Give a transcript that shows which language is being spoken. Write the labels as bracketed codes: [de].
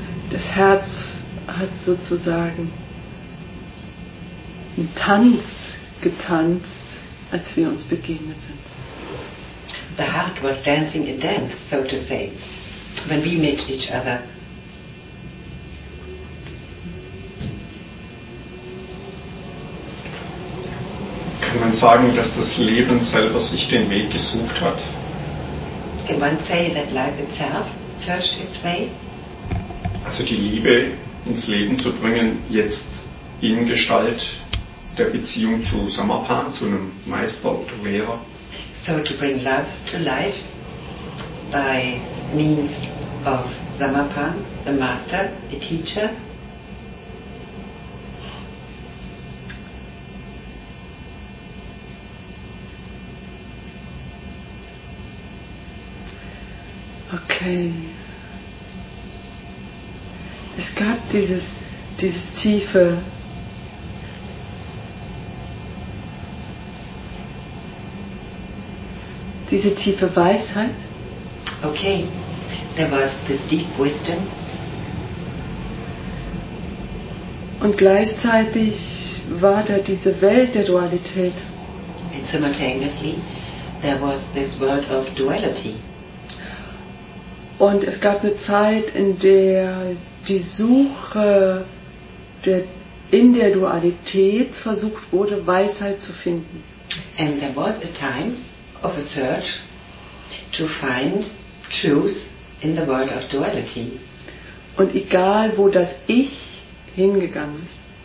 [de] Das Herz hat sozusagen einen Tanz getanzt, als wir uns begegnet sind. [en] The heart was dancing a dance, so to say, when we met each other. [de] Kann man sagen, dass das Leben selber sich den Weg gesucht hat? [en] Can one say that life itself searched its way? [de] Also die Liebe ins Leben zu bringen, jetzt in Gestalt der Beziehung zu Dhammapada, zu einem Meister oder Lehrer. [en] So to bring love to life by means of Dhammapada, the master, the teacher. Okay. [de] Es gab dieses tiefe diese tiefe Weisheit. [en] Okay, there was this deep wisdom. [de] Und gleichzeitig war da diese Welt der Dualität. [en] And simultaneously, there was this world of duality. [de] Und es gab eine Zeit, in der die Suche der in der Dualität versucht wurde, Weisheit zu finden. [en] And there was a time of a search to find truth in the world of duality. [de] Und egal, wo das Ich hingegangen ist.